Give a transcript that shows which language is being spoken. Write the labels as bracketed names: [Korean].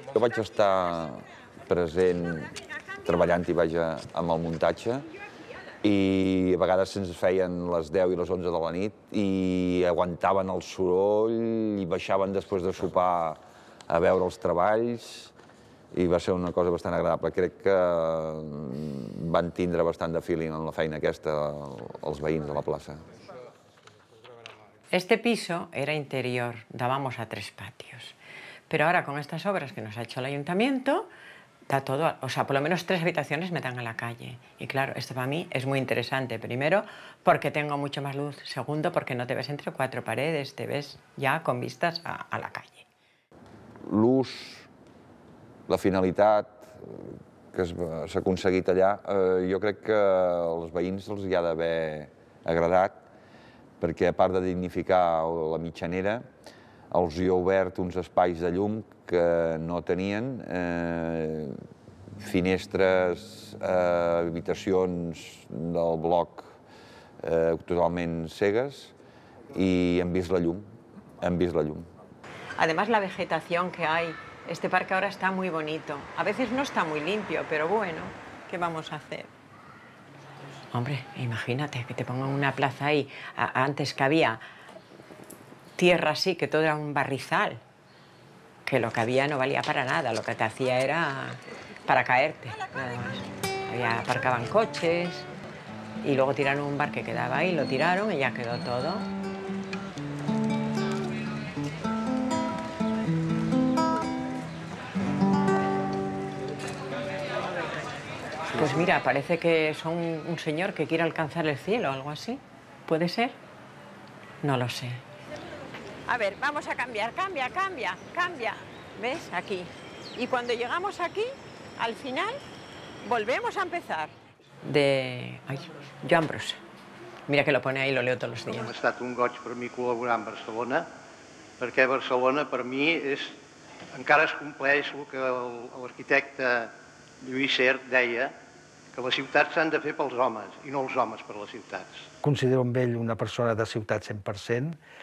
[Catalan] Jo vaig estar present, treballant-hi, vaja, amb el muntatge, i a vegades se'ns feien les 10 i les 11 de la nit i aguantaven el soroll i baixaven després de sopar a veure els treballs. I va ser una cosa bastant agradable. Crec que van tindre bastant de feeling en la feina aquesta els veïns de la plaça. [Spanish] Este piso era interior, dábamos a tres patios. Pero ahora, con estas obras que nos ha hecho el ayuntamiento, da todo, o sea, por lo menos tres habitaciones me dan a la calle. Y claro, esto para mí es muy interesante. Primero, porque tengo mucho más luz. Segundo, porque no te ves entre cuatro paredes, te ves ya con vistas a la calle. Luz. [Catalan] La finalitat que s'ha aconseguit allà, jo crec que als veïns els hi ha d'haver agradat, perquè a part de dignificar la mitjanera, els hi ha obert uns espais de llum que no tenien, finestres, habitacions del bloc totalment cegues, i han vist la llum, han vist la llum. [Spanish] Además, la vegetación que hay. Este parque ahora está muy bonito. A veces no está muy limpio, pero bueno, ¿qué vamos a hacer? Hombre, imagínate que te pongan una plaza ahí. Antes que había tierra así, que todo era un barrizal, que lo que había no valía para nada. Lo que te hacía era para caerte, nada más. Había, aparcaban coches y luego tiraron un bar que quedaba ahí, lo tiraron y ya quedó todo. Pues mira, parece que son un señor que quiere alcanzar el cielo o algo así. ¿Puede ser? No lo sé. A ver, vamos a cambiar, cambia, cambia, cambia. ¿Ves? Aquí. Y cuando llegamos aquí, al final, volvemos a empezar. De... Ay, Joan Brossa. Mira que lo pone ahí, lo leo todos los días. [Catalan] Ha estat un goig per mi col·laborar amb Barcelona, perquè Barcelona per mi és... Encara es compleix el que l'arquitecte Lluís Sert deia, que les ciutats s'han de fer pels homes i no els homes per les ciutats. Considero amb ell una persona de ciutat 100%.